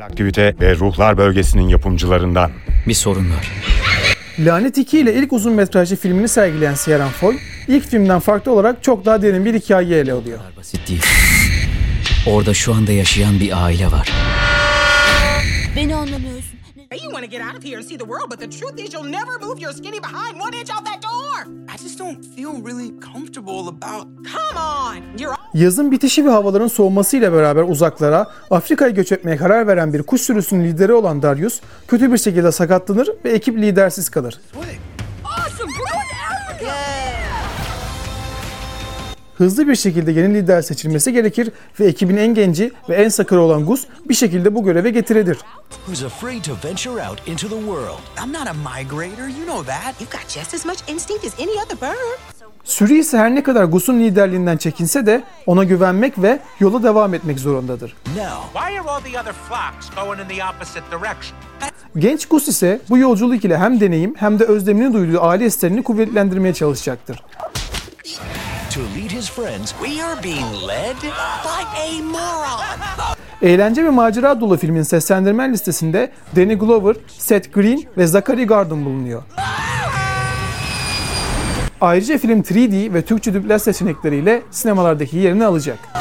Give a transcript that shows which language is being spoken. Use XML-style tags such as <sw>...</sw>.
<tr>Aktivite ve Ruhlar Bölgesi'nin yapımcılarından. Bir sorun var. Lanet 2 ile ilk uzun metrajlı filmini sergileyen Ciaran Foy, ilk filmden farklı olarak çok daha derin bir hikayeyi ele alıyor. Basit değil. Orada şu anda yaşayan bir aile var. Beni anlamıyorsun.</tr> <en>You want to get out of here and see the world, but the truth is you'll never move your skinny behind one inch out that door. I just don't feel really comfortable about. Come on.</en> <tr>Yazın bitişi ve havaların soğumasıyla beraber uzaklara, Afrika'ya göç etmeye karar veren bir kuş sürüsünün lideri olan Darius kötü bir şekilde sakatlanır ve ekip lidersiz kalır. Hızlı bir şekilde yeni lider seçilmesi gerekir ve ekibin en genci ve en sakarı olan Gus bir şekilde bu göreve getirilir.</tr> <en>Who's afraid to venture out into the world? I'm not a migrator, you know that. You've got just as much instinct as any other bird.</en> <tr>Sürü ise her ne kadar Gus'un liderliğinden çekinse de ona güvenmek ve yola devam etmek zorundadır.</tr> <en>Why are all the other flocks going in the opposite direction?</en> <tr>Genç Gus ise bu yolculuk ile hem deneyim hem de özlemini duyduğu aile hislerini kuvvetlendirmeye çalışacaktır.</tr> <en>To lead his friends, we are being led by a moron.</en> <tr>Eğlence ve macera dolu filmin seslendirme listesinde Danny Glover, Seth Green ve Zachary Gordon bulunuyor. Ayrıca film 3D ve Türkçe dublaj seçenekleriyle sinemalardaki yerini alacak.</tr>